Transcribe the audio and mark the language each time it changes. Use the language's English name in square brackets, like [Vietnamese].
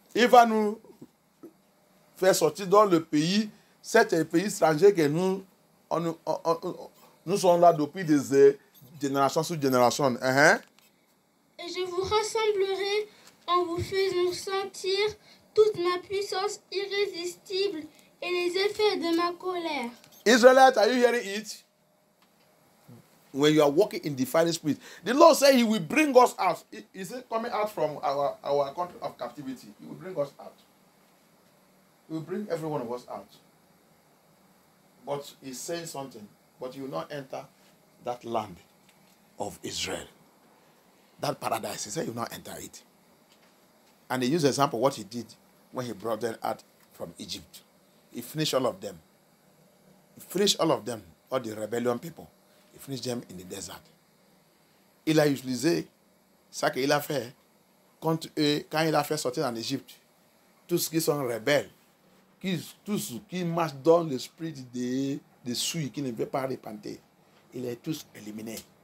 [French] Il va nous faire sortir dans le pays, cet pays étranger que nous sommes là depuis des générations sur générations. Uh-huh. Et je vous rassemblerai en vous faisant sentir toute ma puissance irrésistible et les effets de ma colère. [English] Israelites, are you hearing it? When you are walking in defiling spirit, the Lord said he will bring us out. Is it coming out from our country of captivity? He will bring us out. He will bring every one of us out. But he's saying something. But you will not enter that land of Israel. That paradise. He said you will not enter it. And he used an example of what he did when he brought them out from Egypt. He finished all of them. He finished all of them, all the rebellion people. He finished them in the desert. [French] Il a utilisé ça qu'il a fait contre eux, quand il a fait sortir en Égypte. Tous qui sont rebelles, tous qui marchent dans l'esprit des souilles, qui ne veulent pas repentir, il est tous éliminé.